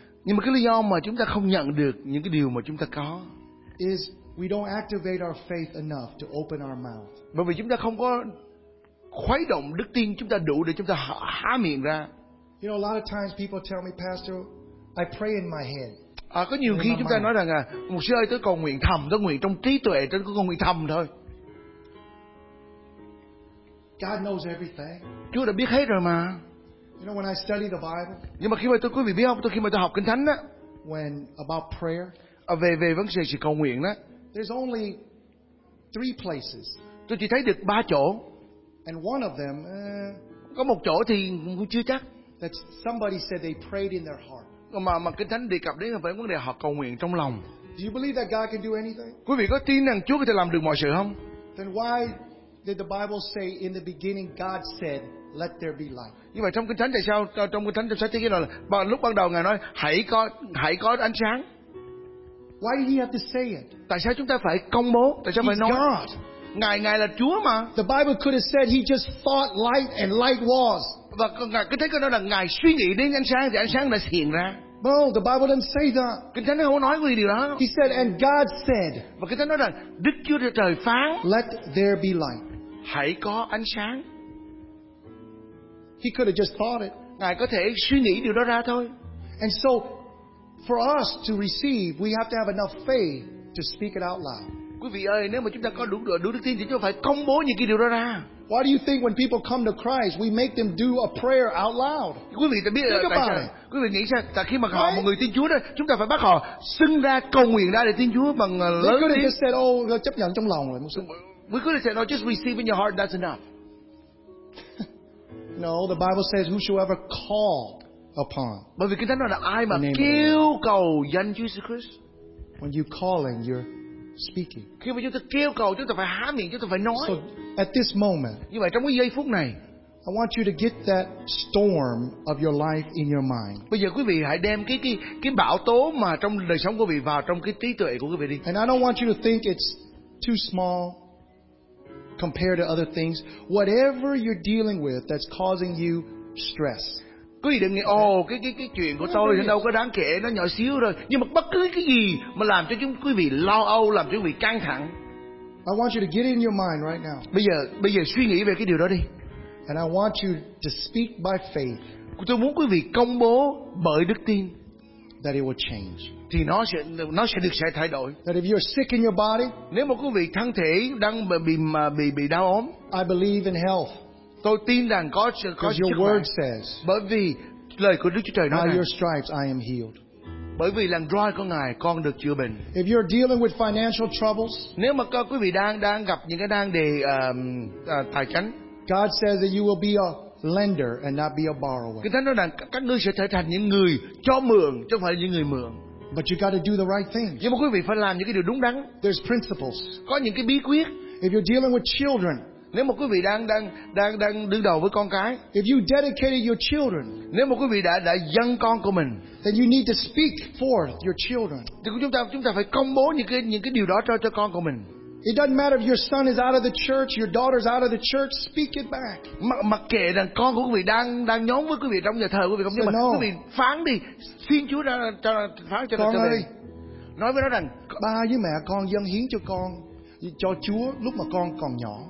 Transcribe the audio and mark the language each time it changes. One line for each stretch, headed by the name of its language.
Vietnamese: Nhưng mà cái lý do mà chúng ta không nhận được những cái điều mà chúng ta có
English: is we don't activate our faith enough to open our mouth.
Vietnamese: Bởi vì chúng ta không có khuấy động đức tin chúng ta đủ để chúng ta há miệng ra.
English: You know, a lot of times people tell me, Pastor, I pray in my head.
Vietnamese: Có nhiều khi chúng ta nói rằng một sư ơi, tôi cầu nguyện thầm, tôi nguyện trong trí tuệ, tôi cầu nguyện thầm thôi.
English: God knows everything.
Vietnamese: Chúa đã biết hết rồi mà.
English: You know, when I study the Bible.
Vietnamese: Nhưng mà khi mà tôi quý vị biết không? Tôi khi mà tôi học Kinh Thánh á.
English: When about prayer.
Vietnamese: Về vấn đề sự cầu nguyện đó.
English: There's only three places.
Vietnamese: Tôi chỉ thấy được ba chỗ.
English: And one of them,
Vietnamese: có một chỗ thì cũng chưa chắc.
English: That somebody said they prayed in their heart.
Vietnamese: Mà Kinh Thánh đề cập đến là vấn đề họ cầu nguyện trong lòng.
English: Do you believe that God can do anything?
Vietnamese: Quý vị có tin rằng Chúa có thể làm được mọi sự không?
English: Then why Did the Bible say in the beginning God said, "Let there be light"?
Vietnamese: Như vậy trong Kinh Thánh tại sao trong Kinh Thánh trong sách Thế Ký là lúc ban đầu Ngài nói hãy có ánh sáng.
English: Why did he have to say it?
Vietnamese: Tại sao chúng ta phải công bố? Tại sao phải nói?
English: God.
Vietnamese: Ngài là Chúa mà.
English: The Bible could have said he just thought light and light was.
Vietnamese: Và Ngài cứ thấy cái đó là Ngài suy nghĩ đến ánh sáng thì ánh sáng đã hiện ra.
English: No, the Bible doesn't say that.
Vietnamese: Kinh Thánh không nói cái điều đó.
English: He said, and God said.
Vietnamese: Và Kinh Thánh nói rằng Đức Chúa Trời phán.
English: Let there be light.
Vietnamese: Hãy có ánh sáng.
English: He could have just thought it.
Vietnamese: Ngài có thể suy nghĩ điều đó ra thôi.
English: And so, for us to receive, we have to have enough faith to speak it out loud.
Vietnamese: Quý vị ơi, nếu mà chúng ta có đủ đức tin thì chúng ta phải công bố những cái điều đó ra.
English: Why do you think when people come to Christ, we make them do a prayer out loud?
Vietnamese: Quý vị biết tại sao? Quý vị nghĩ sao? Tại khi mà họ một người tin Chúa đó, chúng ta phải bắt họ xưng ra cầu nguyện ra để tin Chúa bằng lớn tiếng.
English: They could have just said, "Oh,
Vietnamese: chấp nhận trong lòng rồi."
English: We could have said, "No, just receive in your heart. That's enough." No, the Bible says, "Whosoever called upon."
Vietnamese: Bởi vì Kinh Thánh nói là ai mà kêu cầu danh Chúa Jesus Christ.
English: When you calling, you're speaking.
Vietnamese: Khi mà chúng ta kêu cầu, chúng ta phải há miệng, chúng ta phải nói.
English: So, at this moment,
Vietnamese: như vậy trong cái giây phút này,
English: I want you to get that storm of your life in your mind.
Vietnamese: Bây giờ quý vị hãy đem cái bão tố mà trong đời sống của quý vị vào trong cái trí tuệ của quý vị đi.
English: And I don't want you to think it's too small compared to other things. Whatever you're dealing with that's causing you stress.
Vietnamese: Quý vị đừng nghĩ, cái chuyện của tôi thì đâu có đáng kể, nó nhỏ xíu thôi. Nhưng mà bất cứ cái gì mà làm cho chúng quý vị lo âu, làm cho quý vị căng thẳng.
English: I want you to get in your mind right now.
Vietnamese: Bây giờ suy nghĩ về cái điều đó đi.
English: And I want you to speak by faith.
Vietnamese: Tôi muốn quý vị công bố bởi đức tin.
English: That it will change.
Vietnamese: Thì nó sẽ được sẽ thay đổi.
English: That if you're sick in your body.
Vietnamese: Nếu mà quý vị thân thể đang bị đau ốm.
English: I believe in health.
Vietnamese: Tôi tin rằng có sức khỏe.
English: Your word says.
Vietnamese: Bởi vì lời của Đức Chúa Trời nói.
English: By your stripes I am healed.
Vietnamese: Bởi vì lần roi của Ngài, con được chữa bệnh.
English: If you're dealing with financial troubles,
Vietnamese: nếu mà quý vị đang gặp những cái nan đề tài chính,
English: God says that you will be a lender and not be a borrower.
Vietnamese: Kinh Thánh nói rằng các ngươi sẽ trở thành những người cho mượn, chứ không phải những người mượn.
English: But you got to do the right things.
Vietnamese: Nhưng mà quý vị phải làm những cái điều đúng đắn.
English: There's principles.
Vietnamese: Có những cái bí quyết.
English: If you're dealing with children.
Vietnamese: Nếu mà quý vị đang đứng đầu với con cái,
English: if you dedicated your children,
Vietnamese: nếu mà quý vị đã dâng con của mình,
English: then you need to speak for your children.
Vietnamese: Thì chúng ta phải công bố những cái điều đó cho con của mình.
English: It doesn't matter if your son is out of the church, your daughter's out of the church, speak it back.
Vietnamese: Mặc kệ rằng con của quý vị đang nhóm với quý vị trong nhà thờ quý vị không,
English: so
Vietnamese: nhưng
English: no.
Vietnamese: Mà quý vị phán đi, xin Chúa ra cho phán cho con ơi, nói với nó rằng ba với mẹ con dâng hiến cho con. Cho Chúa lúc mà con còn nhỏ.